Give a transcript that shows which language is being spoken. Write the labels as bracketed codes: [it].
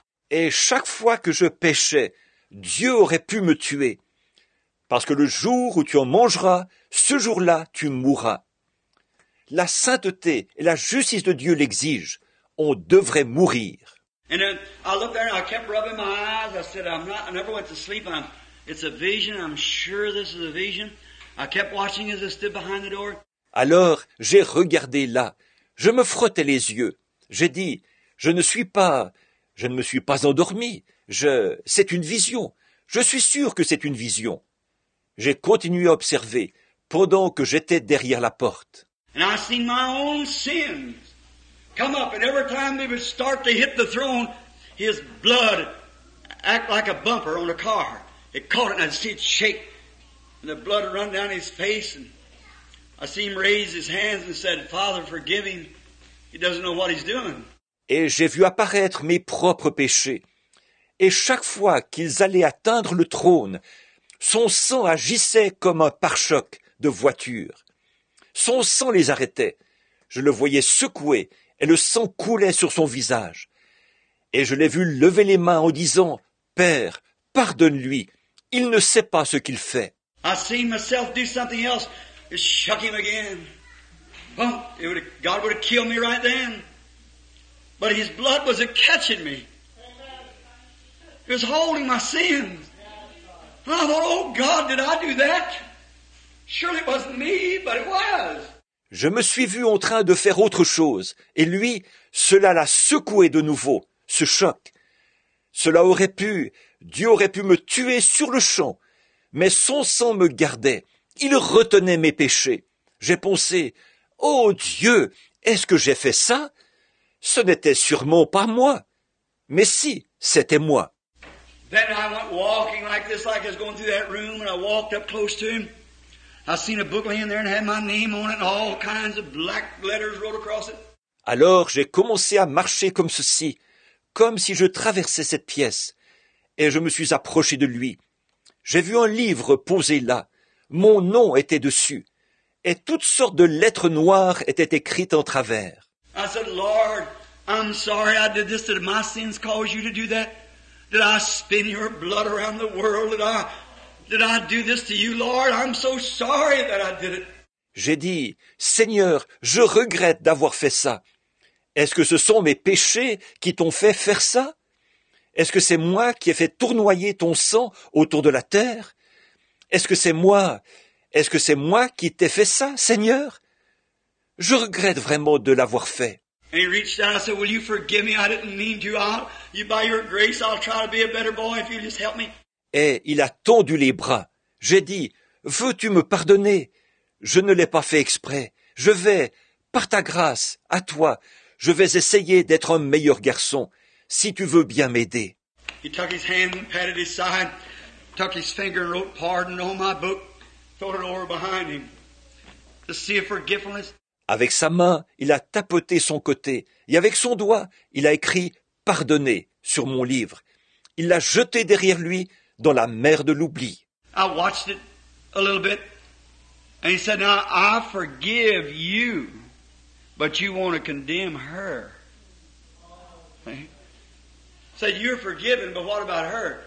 [fr] Et chaque fois que je péchais, Dieu aurait pu me tuer, parce que le jour où tu en mangeras, ce jour-là, tu mourras. La sainteté et la justice de Dieu l'exigent. On devrait mourir. [en] And then I looked there and I kept rubbing my eyes. I said, I never went to sleep. It's a vision. I'm sure this is a vision. I kept watching as I stood behind the door. [fr] Alors, j'ai regardé là. Je me frottais les yeux. J'ai dit, je ne me suis pas endormi. C'est une vision. Je suis sûr que c'est une vision. J'ai continué à observer pendant que j'étais derrière la porte. [en] And I seen my own sins. Come up, and every time they would start to hit the throne, his blood act like a bumper on a car. It caught it, and I'd see it shake, and the blood would run down his face, and I see him raise his hands and said, Father, forgive him. He doesn't know what he's doing. [fr] Et j'ai vu apparaître mes propres péchés. Et chaque fois qu'ils allaient atteindre le trône, son sang agissait comme un pare-choc de voiture. Son sang les arrêtait. Je le voyais secouer. Et le sang coulait sur son visage. Et je l'ai vu lever les mains en disant, « Père, pardonne-lui, il ne sait pas ce qu'il fait. » [en] I seen myself do something else. Just shuck him again. Oh, God would have killed me right then. But his blood was catching me. It was holding my sins. And I thought, oh God, did I do that? Surely it wasn't me, but it was. [fr] Je me suis vu en train de faire autre chose. Et lui, cela l'a secoué de nouveau, ce choc. Cela aurait pu, Dieu aurait pu me tuer sur le champ. Mais son sang me gardait. Il retenait mes péchés. J'ai pensé, oh Dieu, est-ce que j'ai fait ça? Ce n'était sûrement pas moi. Mais si, c'était moi. [en] Then I went walking like this, like I was going through that room, and I walked up close to him. I seen a book laying there and had my name on it, and all kinds of black letters wrote across it. [fr] Alors j'ai commencé à marcher comme ceci, comme si je traversais cette pièce, et je me suis approché de lui. J'ai vu un livre posé là. Mon nom était dessus, et toutes sortes de lettres noires étaient écrites en travers. [en] I said, Lord, I'm sorry I did this. Did my sins cause you to do that? Did I spin your blood around the world? Did I do this to you, Lord? I'm so sorry that I did it. [fr] J'ai dit, Seigneur, je regrette d'avoir fait ça. Est-ce que ce sont mes péchés qui t'ont fait faire ça? Est-ce que c'est moi qui ai fait tournoyer ton sang autour de la terre? Est-ce que c'est moi qui t'ai fait ça, Seigneur? Je regrette vraiment de l'avoir fait. [en] And he reached out and I said, will you forgive me? I didn't mean to. By your grace, I'll try to be a better boy if you just help me. [fr] Et il a tendu les bras. J'ai dit, veux-tu me pardonner? Je ne l'ai pas fait exprès. Je vais, par ta grâce, à toi, je vais essayer d'être un meilleur garçon, si tu veux bien m'aider. [en] He took his hand and patted his side, took his finger and wrote pardon on my book, thrown it over behind him to see if forgiveness. [fr] Avec sa main, il a tapoté son côté, et avec son doigt, il a écrit « Pardonnez » sur mon livre. Il l'a jeté derrière lui dans la mer de l'oubli. [en] I watched it a little bit, and he said, now I forgive you, but you want to condemn her. He said, you're forgiven, but what about her?